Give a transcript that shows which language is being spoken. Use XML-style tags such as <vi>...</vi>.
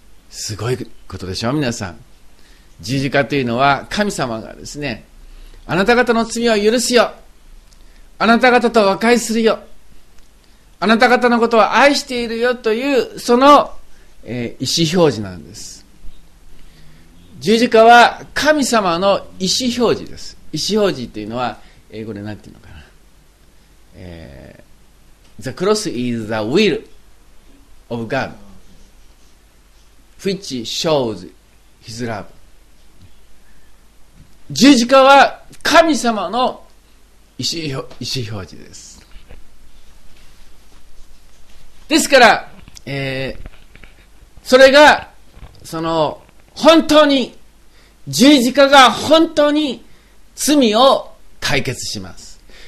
<ja>すごいことでしょう皆さん。十字架というのは神様がですね、あなた方の罪を許すよ、あなた方と和解するよ、あなた方のことを愛しているよという、その、意思表示なんです。十字架は神様の意思表示です。意思表示というのは英語で何て言うのかな、</ja> <en>The cross is the will of God which shows his love。</en> <ja>十字架は神様の意思表示です。ですから、それがその本当に十字架が本当に罪を解決します。</ja>